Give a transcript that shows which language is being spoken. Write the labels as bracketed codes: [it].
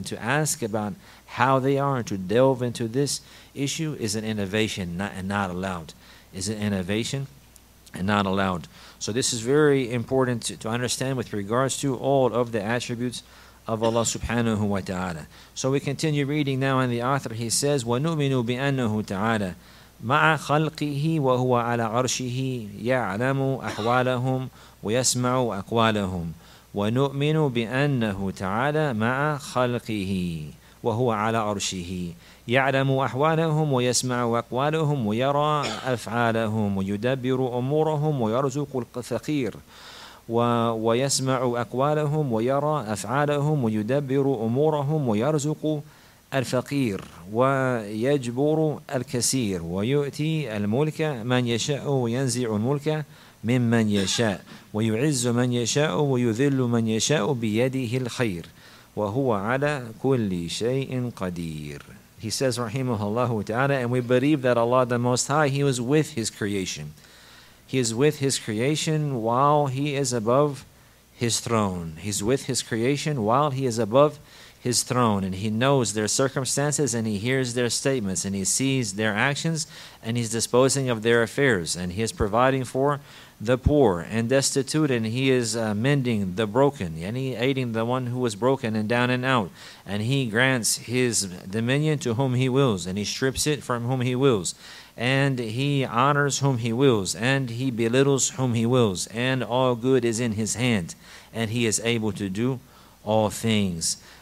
[en] And to ask about how they are and to delve into this issue is an innovation not allowed. Is an innovation and not allowed. So this is very important to understand with regards to all of the attributes of Allah subhanahu wa ta'ala. So we continue reading now, and the author, he says, [ar] وَنُؤْمِنُ بِأَنَّهُ تَعَالَى مَعَ خَلْقِهِ وَهُوَ عَلَىٰ عَرْشِهِ يَعْلَمُ أَحْوَالَهُمْ وَيَسْمَعُ أَقْوَالَهُمْ وَنُؤْمِنُ بِأَنَّهُ تَعَالَىٰ مَعَ خَلْقِهِ وَهُوَ عَلَىٰ عَرْشِهِ يعلم أحوالهم ويسمع أقوالهم ويرى أفعالهم ويدبر أمورهم ويرزق الفقير ويسمع أقوالهم ويرى أفعالهم ويدبر أمورهم ويرزق الفقير ويجبر الكثير ويؤتي الملك من يشاء وينزع الملك ممن يشاء ويعز من يشاء ويذل من يشاء بيده الخير وهو على كل شيء قدير. [en] He says, rahimahullahu ta'ala, and we believe that Allah the Most High, He was with His creation. He is with His creation while He is above His throne. He's with His creation while He is above His throne. And He knows their circumstances, and He hears their statements, and He sees their actions, and He's disposing of their affairs, and He is providing for the poor and destitute, and He is mending the broken, and He aiding the one who was broken and down and out, and He grants His dominion to whom He wills, and He strips it from whom He wills, and He honors whom He wills, and He belittles whom He wills, and all good is in His hand, and He is able to do all things.